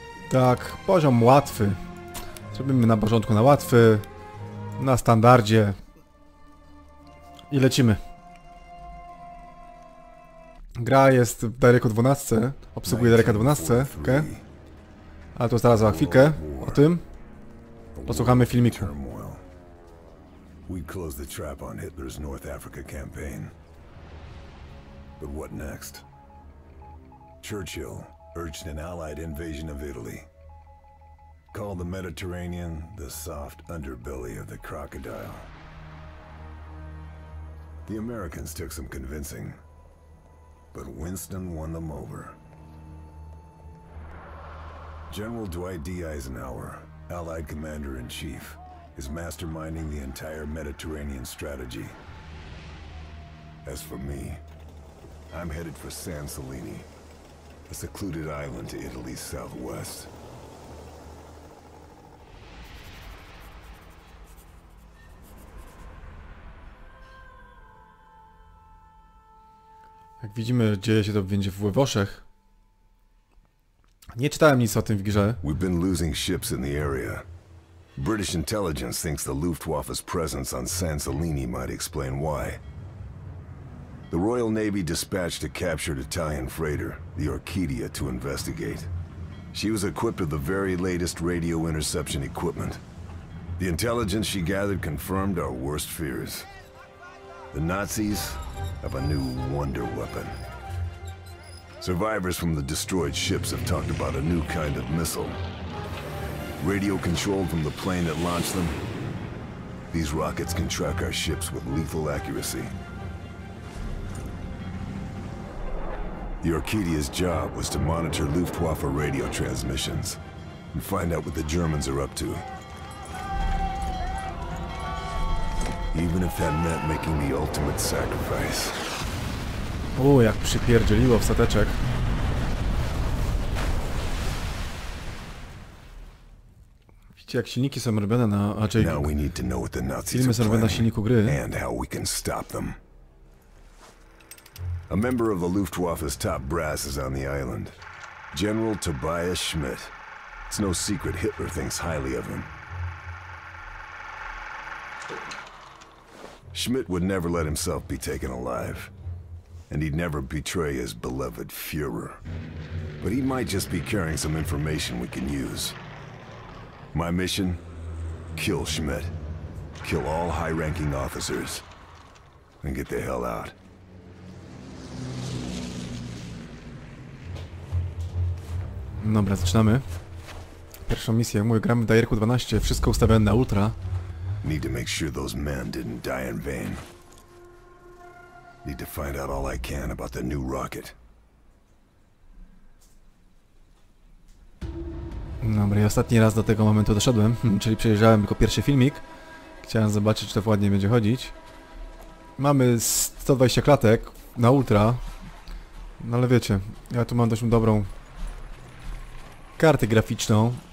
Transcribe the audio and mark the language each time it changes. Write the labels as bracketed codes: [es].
[pl] Tak, poziom łatwy. Zrobimy na porządku na łatwy. Na standardzie. I lecimy. Gra jest w Dereku 12, obsługuje Dereka 12, ok? Ale to zaraz za chwilkę o tym. Posłuchamy filmiku. [en] We closed the trap on Hitler's North Africa campaign. But what next? Churchill urged an allied invasion of Italy. Called the Mediterranean the soft underbelly of the crocodile. The Americans took some convincing. But Winston won them over. General Dwight D. Eisenhower, Allied Commander-in-Chief, is masterminding the entire Mediterranean strategy. As for me, I'm headed for San Salini, a secluded island to Italy's southwest. [pl] Jak widzimy, dzieje się to będzie w Włoszech. Nie czytałem nic o tym w grze. [en] We've been losing ships in the area. British intelligence thinks the Luftwaffe's presence on San Salini might explain why. The Royal Navy dispatched a captured Italian freighter, the Orchidia, to investigate. She was equipped with the very latest radio interception equipment. The intelligence she gathered confirmed our worst fears. The Nazis have a new wonder weapon. Survivors from the destroyed ships have talked about a new kind of missile. Radio controlled from the plane that launched them. These rockets can track our ships with lethal accuracy. The Orchidia's job was to monitor Luftwaffe radio transmissions and find out what the Germans are up to. Even if that meant making the ultimate sacrifice. [pl] O, jak przypierdzieliło w stateczek. Widzicie, jak silniki są robione na... Raczej filmy są robione na silniku gry. [en] And how we can stop them. A member of the Luftwaffe's top brass is on the island. General Tobias Schmidt. It's no secret Hitler thinks highly of him. Schmidt would never let himself be taken alive. And he'd never betray his beloved Führer. But he might just be carrying some information we can use. My mission? Kill Schmidt. Kill all high-ranking officers. And get the hell out. [pl] Dobra, zaczynamy. Pierwszą misję. Mój gramy w Dajerku 12. Wszystko ustawione na ultra. [en] Need to make sure those men didn't die in vain. Need to find out all I can about the new rocket. [pl] Dobra, i ostatni raz do tego momentu doszedłem, czyli przejrzałem tylko pierwszy filmik. Chciałem zobaczyć, czy to ładnie będzie chodzić. Mamy 120 klatek na ultra. No ale wiecie, ja tu mam dość dobrą kartę graficzną.